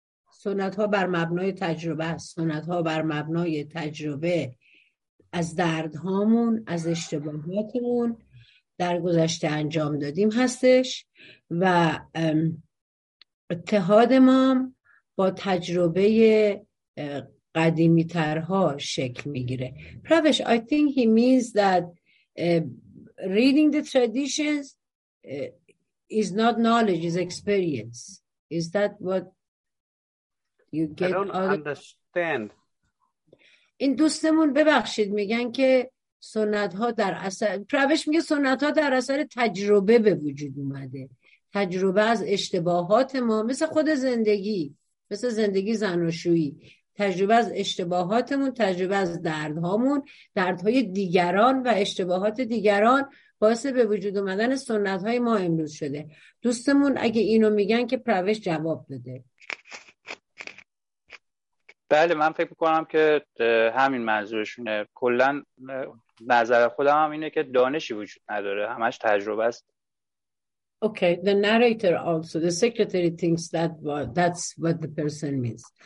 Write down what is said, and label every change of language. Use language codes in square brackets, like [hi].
[fa] سنت ها بر مبنای تجربه است. سنت ها بر مبنای تجربه، از دردهامون، از اشتباهاتمون در گذشته انجام دادیم هستش، و اتحاد ما با تجربه قدیمی ترها شکل میگیره. [en] پروش، I think he means that reading the traditions is not knowledge, is experience. Is that what you get? I don't understand. [fa] این دوستمون ببخشید میگن که سنت ها در اثر، پروش میگه سنت ها در اثر تجربه به وجود اومده، تجربه از اشتباهات ما، مثل خود زندگی، مثل زندگی زناشویی، تجربه از اشتباهاتمون، تجربه از دردهامون، دردهای دیگران و اشتباهات دیگران باعث به وجود اومدن سنت های ما امروز شده. دوستمون اگه اینو میگن که پروش جواب بده. بله، من فکر میکنم که همین منظورشونه. کلن نظر خودم هم اینه که دانشی وجود نداره، همش تجربه است. [en] Okay, the narrator also, the secretary thinks that that's what the person means.